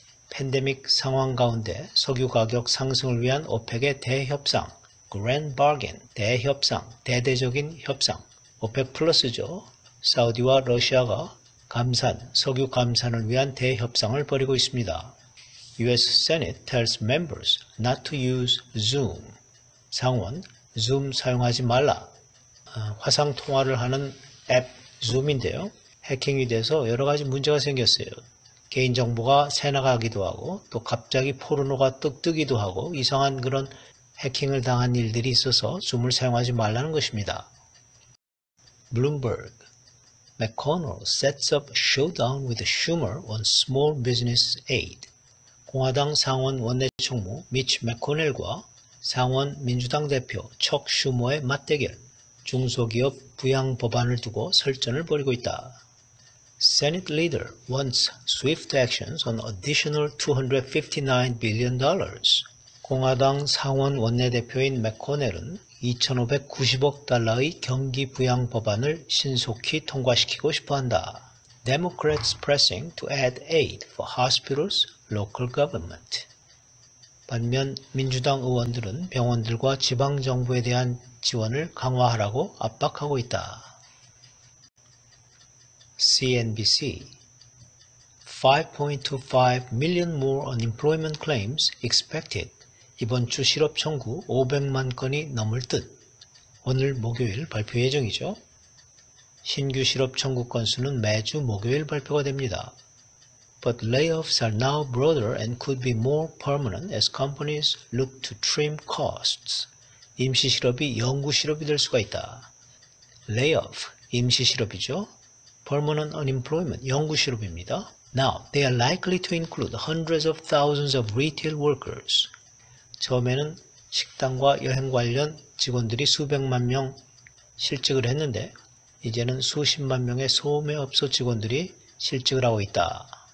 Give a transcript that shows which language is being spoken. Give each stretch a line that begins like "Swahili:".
Korean: 팬데믹 상황 가운데 석유 가격 상승을 위한 OPEC의 대협상.
English: Grand bargain,
Korean: 대협상, 대대적인 협상. OPEC 플러스죠. 사우디와 러시아가 감산, 석유 감산을 위한 대협상을 벌이고 있습니다.
English: US Senate tells members not to use Zoom.
Korean: 상원, Zoom 사용하지 말라. 화상 통화를 하는 앱 Zoom인데요. 해킹이 돼서 여러 가지 문제가 생겼어요. 개인정보가 새나가기도 하고 또 갑자기 포르노가 뜨기도 하고 이상한 그런 해킹을 당한 일들이 있어서 줌을 사용하지 말라는 것입니다.
English: Bloomberg. McConnell sets up showdown with Schumer on small business aid.
Korean: 공화당 상원 원내총무 미치 맥코넬과 상원 민주당 대표 척 슈머의 맞대결. 중소기업 부양 법안을 두고 설전을 벌이고 있다.
English: Senate leader wants swift actions on additional $259 billion.
Korean: 공화당 상원 원내대표인 맥코넬은 2,590억 달러의 경기 부양 법안을 신속히 통과시키고 싶어 한다.
English: Democrats pressing to add aid for hospitals, local government.
Korean: 반면 민주당 의원들은 병원들과 지방정부에 대한 지원을 강화하라고 압박하고 있다.
English: CNBC. 5.25 million more unemployment claims expected.
Korean: 이번 주 실업 청구 500만 건이 넘을 듯. 오늘 목요일 발표 예정이죠. 신규 실업 청구 건수는 매주 목요일 발표가 됩니다.
English: But layoffs are now broader and could be more permanent as companies look to trim costs.
Korean: 임시 실업이 영구 실업이 될 수가 있다. Layoff, 임시 실업이죠.
English: Permanent unemployment,
Korean: 영구 실업입니다.
English: Now, they are likely to include hundreds of thousands of retail workers.
Korean: 처음에는 식당과 여행 관련 직원들이 수백만 명 실직을 했는데 이제는 수십만 명의 소매업소 직원들이 실직을 하고 있다.